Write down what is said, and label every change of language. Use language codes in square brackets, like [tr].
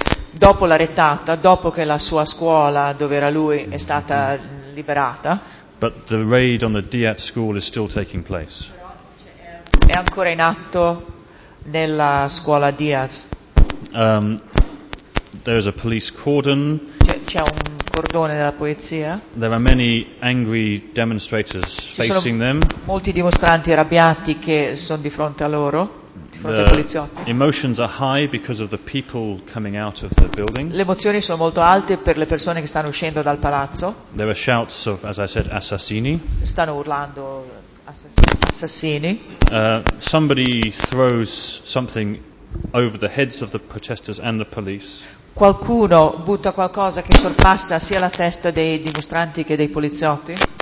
[it] Dopo la rettata, dopo che la sua scuola, dove era lui, è stata liberata. [en] But the raid on the Diat school is still taking place. [it] È ancora in atto nella scuola Diaz. [en] There is a police cordon. [it] C'è un cordone della polizia. [en] There are many angry demonstrators facing them. [it] Molti dimostranti arrabbiati che sono di fronte a loro. [en] Emotions are high because of the people coming out of the building. [it] Le emozioni sono molto alte per le persone che stanno uscendo dal palazzo. [en] There are shouts of, as I said, assassini. [it] Stanno urlando assassini. [en] Somebody throws something over the heads of the protesters and the police. [it] Qualcuno butta qualcosa che sorpassa sia la testa dei dimostranti che dei poliziotti.